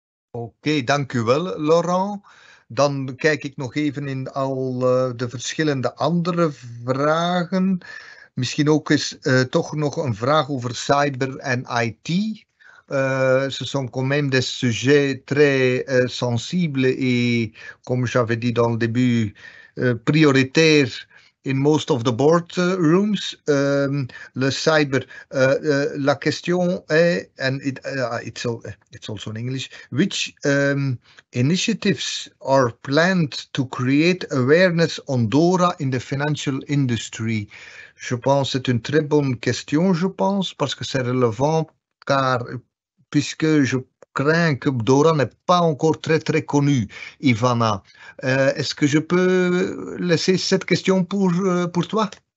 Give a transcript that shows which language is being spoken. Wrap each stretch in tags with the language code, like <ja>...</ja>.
<nl>Oké, dank u wel, Laurent. Dan kijk ik nog even in al de verschillende andere vragen. Misschien ook eens toch nog een vraag over cyber en IT.</nl> <fr>Ce sont quand même des sujets très sensibles et, comme j'avais dit dans le début, prioritaire</fr> <en>in most of the boardrooms.</en> <fr>Le cyber, la question est,</fr> <en>and it, it's also in English, which initiatives are planned to create awareness on DORA in the financial industry?</en> <fr>Je pense que c'est une très bonne question, je pense, parce que c'est relevant, car puisque je crains que DORA n'est pas encore très très connue, Ivana. Est-ce que je peux laisser cette question pour toi?</fr>